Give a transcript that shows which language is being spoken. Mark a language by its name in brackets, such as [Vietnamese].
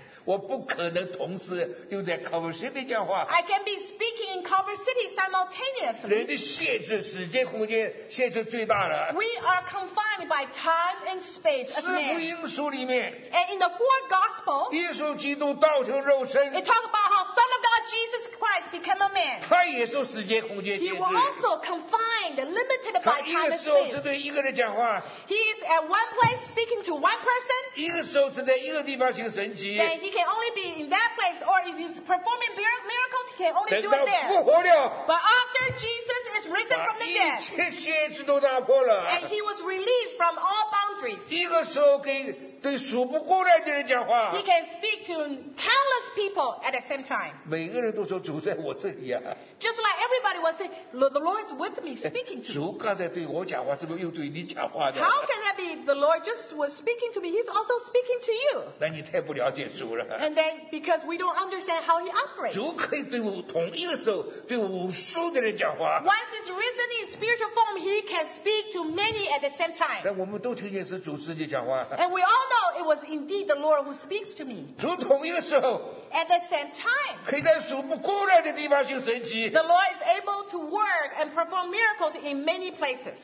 [Chinese] 我不可能同时又在 Culver City 讲话。 [English] I can be speaking in Culver City simultaneously. [Chinese] 人的限制，时间空间限制最大的。 [English] We are confined by time and space. [Chinese] 四福音书里面 [English] ，and in the four gospel， [Chinese] 耶稣基督道成肉身。 [English] It talks about how Son of God Jesus Christ became a man. [Chinese] 他也受时间空间限制。 [English] He was also confined, limited by time and space. [Chinese] 他一个时候只对一个人讲话。 [English] He is at one place speaking to one person. [Chinese] 一个时候只在一个地方行神迹。 [English] He can only be in that place, or if he's performing miracles, he can only do it there. [Chinese] 复活了。 [English] But after Jesus is risen from the dead, [Chinese] 把一切限制都打破了。 [English] And he was released from all boundaries. [Chinese] 一个时候跟对数不过来的人讲话。 [English] He can speak to countless people at the same time. [Chinese] 每个人都说主在我这里呀。 [English] Just like everybody was saying, the Lord is with me, speaking to me. [Chinese] 主刚才对我讲话，怎么又对你讲话呢？ [English] How can that be? The Lord just was speaking to me. He's also speaking to you. [Chinese] 那你太不了解主了。 [English] And then because we don't understand how he operates. [Chinese] 主可以对我同一个时候对无数的人讲话。 [English] Once he's risen in spiritual form, he can speak to many at the same time. [Chinese] 但我们都听见是主自己讲话。 [English] And we all know it was indeed the Lord who speaks to me. [Chinese] 主同一个时候。 [English] At the same time, [Chinese] 可以在数不过来的地方行神迹。 [English] The Lord is able to work and perform miracles in many places.